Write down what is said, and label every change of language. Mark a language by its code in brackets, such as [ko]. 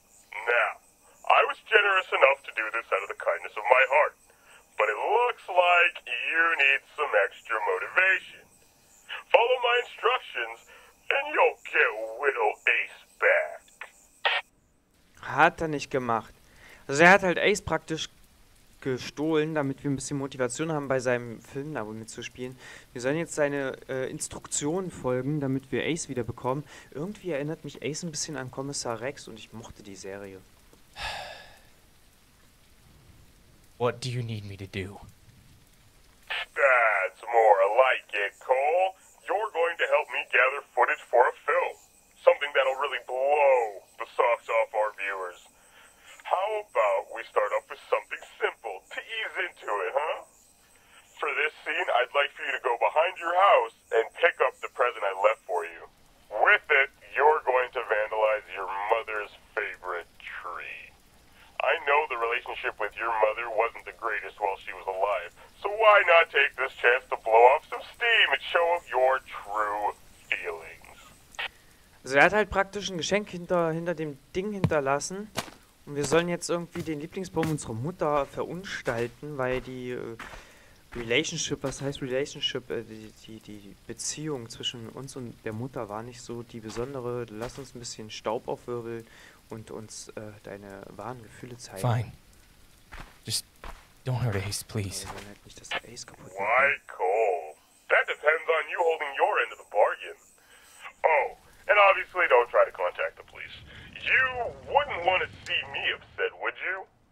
[en] Now, I was generous enough to do this out of the kindness of my heart, but it looks like you need some extra motivation. Follow my instructions, and you'll get Widow Ace back. [de] Hat nicht gemacht. Also hat halt Ace praktisch gestohlen, damit wir ein bisschen Motivation haben, bei seinem Film da wohl mitzuspielen. Wir sollen jetzt seine Instruktionen folgen, damit wir Ace wieder bekommen. Irgendwie erinnert mich Ace ein bisschen an Kommissar Rex und ich mochte die Serie. [en] What do you need me to do? That's more like it, Cole. You're going to help me gather footage for a film. Something that'll really blow the socks off our viewers. How about we start off with something simple to ease into it, huh? For this scene, I'd like for you to go behind your house and pick up the present I left for you. With it, you're going to vandalize your mother's favorite tree. I know the relationship with your mother wasn't the greatest while she was alive, so why not take this chance to blow off some steam and show off your true feelings? [de] Also, er hat halt praktisch ein Geschenk hinter dem Ding hinterlassen. Und wir sollen jetzt irgendwie den Lieblingsbaum unserer Mutter verunstalten, weil die Relationship, was heißt Relationship, die Beziehung zwischen uns und der Mutter war nicht so die besondere. Lass uns ein bisschen Staub aufwirbeln und uns deine wahren Gefühle zeigen. [en] Fine. Just don't hurt Ace, please. [de] Wir wollen halt nicht, dass der Ace kaputt geht. [en] Why, Cole? That depends on you holding your end of the bargain. Oh, and obviously don't try to contact the police. You wouldn't want to see me upset, would you?